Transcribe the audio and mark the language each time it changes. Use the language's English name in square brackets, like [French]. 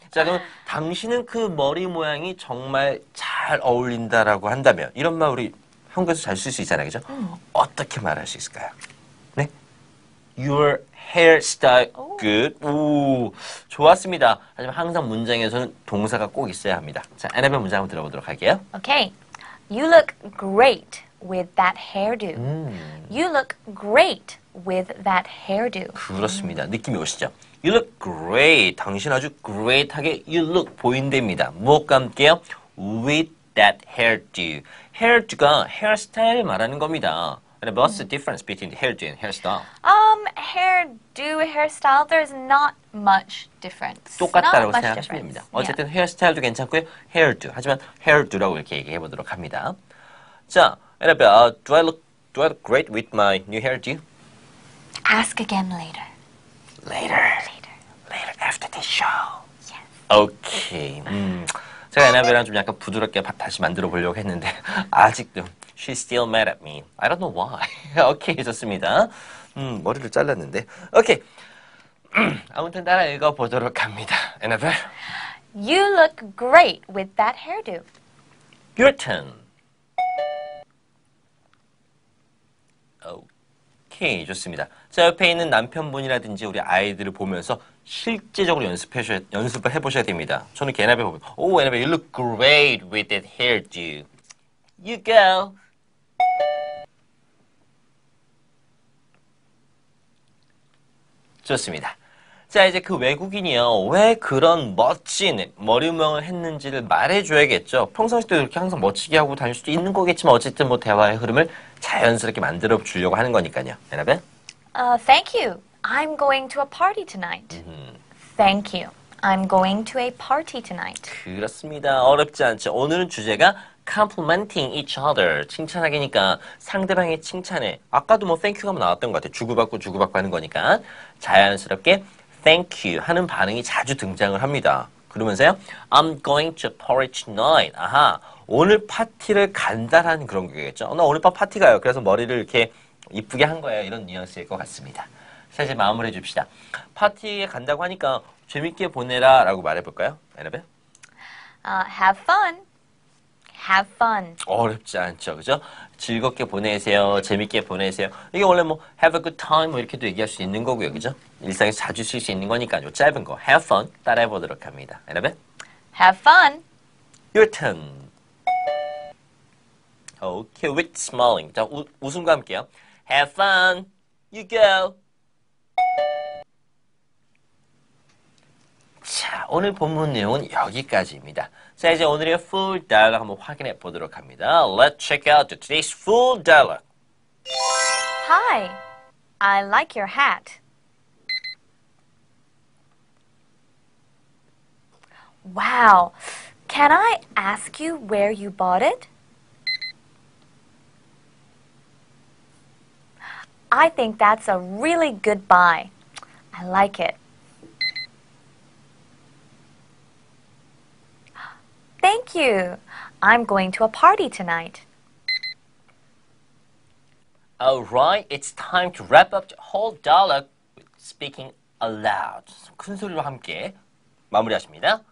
[Korean] 자, 그럼 당신은 그 머리 모양이 정말 잘 어울린다라고 한다면 이런 말 우리 한국에서 잘 쓸 수 있잖아요. 그죠? 어떻게 말할 수 있을까요? 네. [English] Your hairstyle good. [Korean] 오. 좋았습니다. 하지만 항상 문장에서는 동사가 꼭 있어야 합니다. 자, 애나벨 문장 한번 들어보도록 할게요. [English] Okay. You look great with that hairdo. You look great with that hairdo. [Korean] 그렇습니다. 느낌이 오시죠? [English] You look great. [Korean] 당신 아주 great하게 you look 보인답니다. 무엇과 함께요? [English] With that hairdo. [Korean] Hairdo가 hairstyle 말하는 겁니다. [English] And what's the difference between hairdo and hairstyle? Hairdo, hairstyle, there's not much difference. [Korean] 똑같다라고 생각하시면 됩니다. 어쨌든 hairstyle도 괜찮고요. [English] Hairdo. [Korean] 하지만 hairdo라고 이렇게 얘기해 보도록 합니다. [English] 자, Annabelle, do I look great with my new hairdo? Ask again later. Later after the show. Yes. Okay. [Korean] 제가 애나벨이랑 좀 약간 부드럽게 다시 만들어 보려고 했는데 아직도 [English] she's still mad at me. I don't know why. Okay, [Korean] 좋습니다. 머리를 잘랐는데. [English] Okay. [Korean] 아무튼 따라 읽어 보도록 합니다. 애나벨. [English] You look great with that hairdo. Your turn. [Korean] Okay, 좋습니다. 자, 옆에 있는 남편분이라든지 우리 아이들을 보면서 실제적으로 연습을 해보셔야 됩니다. 저는 개나비 보면, [English] Oh, Annabelle, you look great with that hairdo. You go. Yeah. [Korean] 좋습니다. 자, 이제 그 외국인이요. 왜 그런 멋진 머리 모양을 했는지를 말해줘야겠죠. 평상시도 이렇게 항상 멋지게 하고 다닐 수도 있는 거겠지만 어쨌든 뭐 대화의 흐름을 자연스럽게 만들어 주려고 하는 거니까요. 여러분. [English] Thank you. I'm going to a party tonight. Thank you. I'm going to a party tonight. [Korean] 그렇습니다. 어렵지 않죠. 오늘은 주제가 [English] complimenting each other. [Korean] 칭찬하기니까 상대방의 칭찬에 아까도 뭐 thank you가 나왔던 것 같아요. 주고받고 하는 거니까 자연스럽게 thank you 하는 반응이 자주 등장을 합니다. 그러면서요. [English] I'm going to a party tonight. 아하. [Korean] 오늘 파티를 간다라는 그런 거겠죠. 나 오늘 밤 파티 가요. 그래서 머리를 이렇게 이쁘게 한 거예요. 이런 뉘앙스일 것 같습니다. 자, 이제 마무리해 줍시다. 파티에 간다고 하니까 재밌게 보내라 라고 말해볼까요? 애나벨? [English] Have fun. Have fun. [Korean] 어렵지 않죠. 그죠? 즐겁게 보내세요. 재밌게 보내세요. 이게 원래 뭐 [English] have a good time [Korean] 뭐 이렇게도 얘기할 수 있는 거고요. 그죠? 일상에서 자주 쓸 수 있는 거니까요. 짧은 거 have fun 따라해 보도록 합니다. 애나벨? [English] Have fun. Your turn. Okay, with smiling. [Korean] 자, 웃음과 함께요. [English] Have fun. You go. [Korean] 자, 오늘 본문 내용은 여기까지입니다. 자, 이제 오늘의 [English] full dialogue [Korean] 한번 확인해 보도록 합니다. [English] Let's check out today's full dialogue. Hi, I like your hat. Wow, can I ask you where you bought it? I think that's a really good buy. I like it. Thank you. I'm going to a party tonight. All right, it's time to wrap up the whole dialogue with speaking aloud. [Korean] 큰 소리로 함께 마무리하십니다.